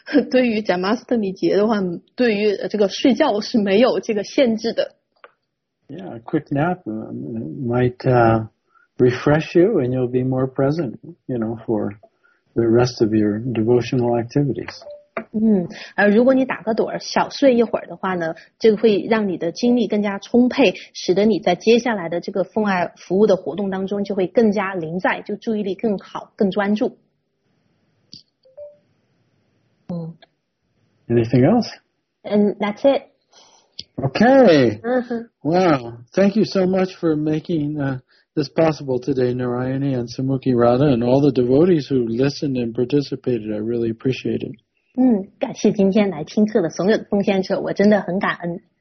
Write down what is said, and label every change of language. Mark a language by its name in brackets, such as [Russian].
[Chinese] 对于 Jamastami 节的话，对于这个睡觉是没有这个限制的。 [English] Yeah, a quick nap might refresh you and you'll be more present, you know, for the rest of your devotional activities. [Chinese] 嗯，如果你打个盹儿小睡一会儿的话呢，这个会让你的精力更加充沛，使得你在接下来的这个奉爱服务的活动当中就会更加临在，就注意力更好更专注。嗯。 [English] Anything else? And that's it. Okay. Wow. Thank you so much for making this possible today, Narayani and Sumukhi Radha and all the devotees who listened and participated. I really appreciate it. [Chinese] 嗯，感谢今天来听课的所有的奉献者，我真的很感恩。